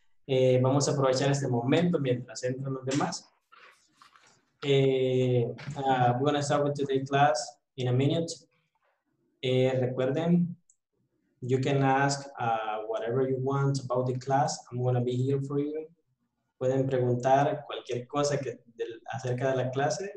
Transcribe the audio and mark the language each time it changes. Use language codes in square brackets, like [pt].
[es] Vamos a aprovechar este momento mientras entran los demás. [en] We're going to start with today's class in a minute. [es] Recuerden, [en] you can ask whatever you want about the class. I'm going to be here for you. [es] Pueden preguntar cualquier cosa que acerca de la clase.